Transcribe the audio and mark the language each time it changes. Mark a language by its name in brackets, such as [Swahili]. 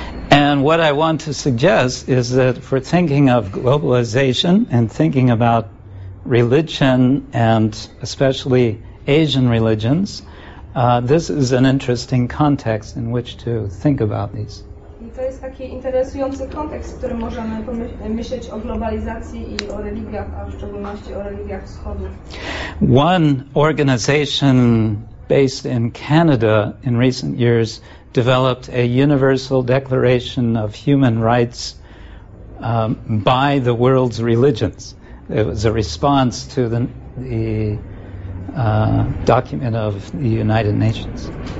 [English] And what I want to suggest is that for thinking of globalization and thinking about religion and especially Asian religions, this is an interesting context in which to think about these. [Polish] To jest taki interesujący kontekst, w którym możemy myśleć o globalizacji i o religiach, a w szczególności o religiach wschodu. [English] One organization based in Canada in recent years developed a Universal Declaration of Human Rights by the world's religions. It was a response to the document of the United Nations.